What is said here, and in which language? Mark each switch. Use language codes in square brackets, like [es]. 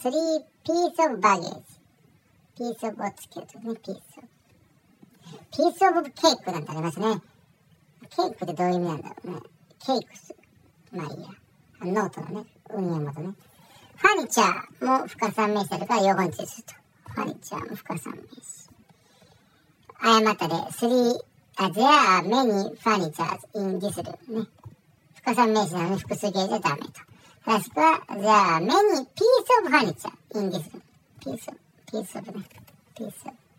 [en] He had three piece of baggage。 piece of [ja] をつけるとね、 [en] piece of。 piece of cake [ja] なんてありますね。cake ってどういう意味なんだろうね。 cakes。 まあいいや。ノートのね、運営元ね。ファニチャーも不可算名詞だから用語にすると。ファニチャーも不可算名詞。誤ったで、 [en] there are many furnitures in this room. [ja] ね。不可算名詞なのに複数形じゃダメと。正しくは、 [en] there are many pieces of furniture in this room. Many pieces of furniture in this room.